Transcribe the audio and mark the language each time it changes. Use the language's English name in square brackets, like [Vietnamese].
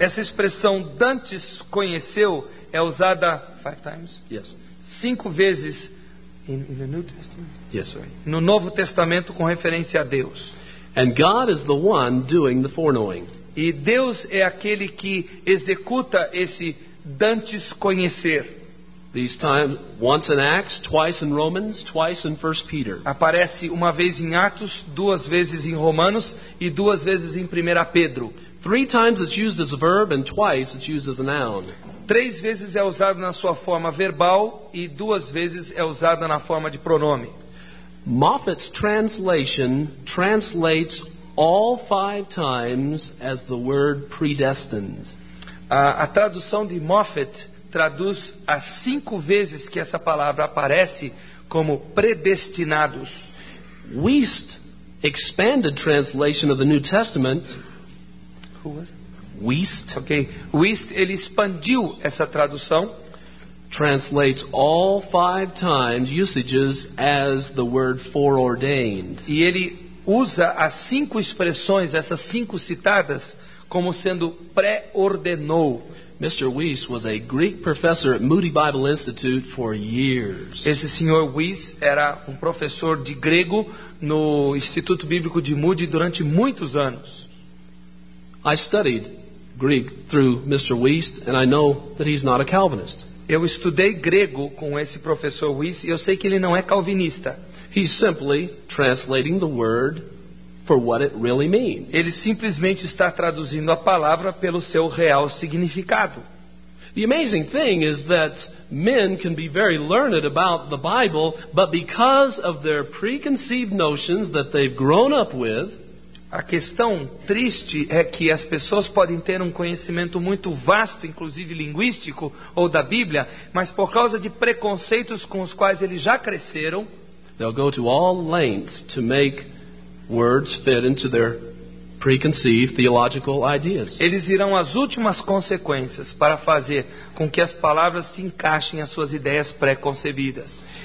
[Portuguese] Essa expressão dantes conheceu é usada [English] 5 times? Yes. [Portuguese] 5 vezes [English] In the New Testament. Yes, sir. [Portuguese] No Novo Testamento com referência a Deus. [English] And God is the one doing the foreknowing. [Portuguese] E Deus é aquele que executa esse dantes conhecer. [English] These times, once in Acts, twice in Romans, twice in 1 Peter. [Portuguese] Aparece uma vez em Atos, duas vezes em Romanos e duas vezes em 1 Pedro. [English] 3 times it's used as a verb and twice it's used as a noun. [Portuguese] 3 vezes é usado na sua forma verbal e 2 vezes é usada na forma de pronome. [English] Moffat's translation translates all 5 times as the word predestined. [Portuguese] A tradução de Moffat traduz as 5 vezes que essa palavra aparece como predestinados. [English] Wiest's expanded translation of the New Testament. Who was it? Wiest. Okay. [Portuguese] Wiest, ele expandiu essa tradução. [English] Translates all 5 times usages as the word foreordained. [Portuguese] E ele usa as 5 expressões, essas 5 citadas, como sendo pré-ordenou. [English] Mr. Weiss was a Greek professor at Moody Bible Institute for years. [Portuguese] Esse senhor Weiss era professor de grego no Instituto Bíblico de Moody durante muitos anos. [English] I studied Greek through Mr. Weiss and I know that he's not a Calvinist. [Portuguese] Eu estudei grego com esse professor Weiss e eu sei que ele não é calvinista. [English] He's simply translating the word for what it really means. [Portuguese] Ele simplesmente está traduzindo a palavra pelo seu real significado. [English] The amazing thing is that men can be very learned about the Bible, but because of their preconceived notions that they've grown up with, [Portuguese] a questão triste é que as pessoas podem ter um conhecimento muito vasto, inclusive linguístico, ou da Bíblia, mas por causa de preconceitos com os quais eles já cresceram, [English] they'll go to all lengths to make words fit into their preconceived theological ideas. [Portuguese] Eles irão às últimas consequências para fazer com que as palavras se encaixem às suas ideias pré-concebidas.